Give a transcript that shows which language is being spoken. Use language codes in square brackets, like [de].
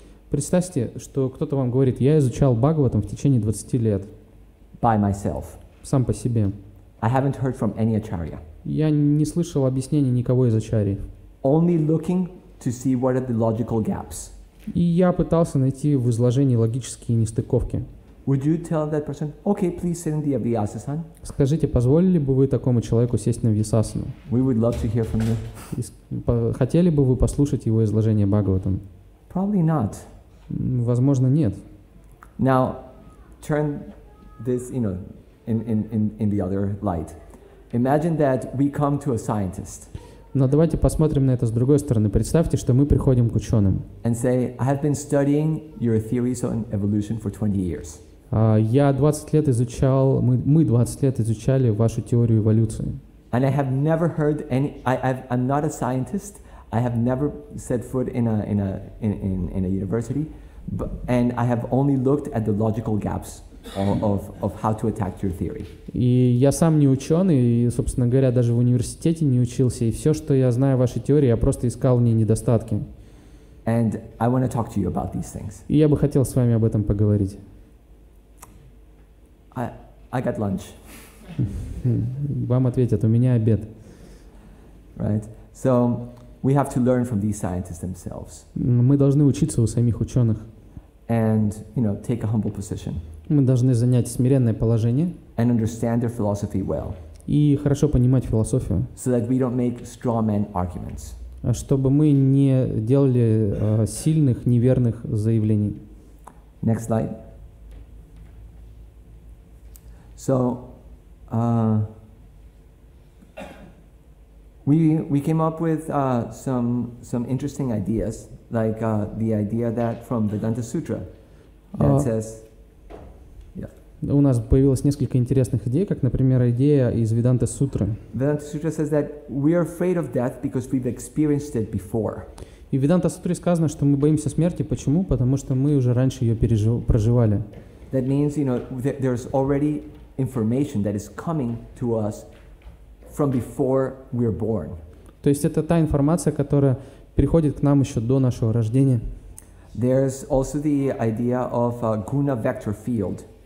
[ru] Представьте, что кто-то вам говорит, я изучал Бхагаватам в течение 20 лет. [en] By myself. [ru] Сам по себе. [en] I haven't heard from any acharya. [ru] Я не слышал объяснений никого из ачарьи. [en] Only looking to see what are the logical gaps. [ru] И я пытался найти в изложении логические нестыковки. [en] Would you tell that person, okay, please sit in the Vyasasan? [ru] Скажите, позволили бы вы такому человеку сесть на Вьясасану? [en] We would love to hear from you. [ru] Хотели бы вы послушать его изложение Бхагаватам? [en] Probably not. [ru] Возможно, нет. [en] Now, turn this, you know, in the other light. Imagine that we come to a scientist. [ru] Но давайте посмотрим на это с другой стороны. Представьте, что мы приходим к ученым. [en] And say, I have been studying your theories on evolution for 20 years. [ru] Я 20 лет изучал, мы 20 лет изучали вашу теорию эволюции. [en] And I have never heard any. I'm not a scientist. I have never set foot in a university. And I have only looked at the logical gaps. Of how to attack your theory. [ru] И я сам не ученый, и, собственно говоря, даже в университете не учился, и все, что я знаю о вашей теории, я просто искал в ней недостатки. [en] And I want to talk to you about these things. [ru] И я бы хотел с вами об этом поговорить. [en] I got lunch. [ru] Вам ответят, у меня обед. [en] Right. So we have to learn from these scientists themselves. [ru] Мы должны учиться у самих ученых. [en] And, you know, take a humble position. [ru] Мы должны занять смиренное положение [en] and understand their philosophy well, [ru] и хорошо понимать философию, [en] so that we don't make straw man arguments. [ru] Чтобы мы не делали сильных, неверных заявлений. [en] Next slide. So, we came up with some interesting ideas, like the idea that from Vedanta Sutra, that says... [ru] У нас появилось несколько интересных идей, как, например, идея из Веданта Сутры. [en] Веданта Сутра says that we are afraid of death because we've experienced it before. [ru] И в Веданта Сутре сказано, что мы боимся смерти. Почему? Потому что мы уже раньше ее проживали. [en] That means, you know, there's already information that is coming to us from before we're born. [ru] То есть это та информация, которая приходит к нам еще до нашего рождения. [en] There's also the idea of a guna vector field.